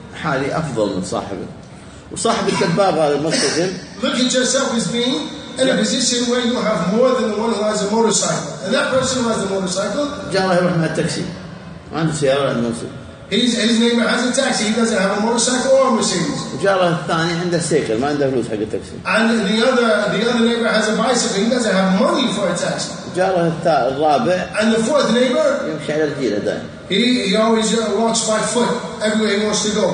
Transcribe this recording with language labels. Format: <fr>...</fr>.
<ar>حالي أفضل من صاحبه وصاحب الدباب هذا المستخدم.</ar> <en>Look at yourself as being in a position where you have more than the one who has a motorcycle. And that person who has a motorcycle.</en> <ar>جاره يروح مع التاكسي. عنده سيارة المرسيدس.</ar> <en>His neighbor has a taxi. He doesn't have a motorcycle or a Mercedes.</en> <ar>وجاره الثاني عنده سيكل ما عنده فلوس حق التاكسي.</ar> <en>And the other neighbor has a bicycle. He doesn't have money for a taxi.</en> <ar>وجاره الرابع.</ar> <en>And the fourth neighbor.</en> <ar>يمشي على رجله دائما.</ar> <en>He always walks by foot everywhere he wants to go.</en>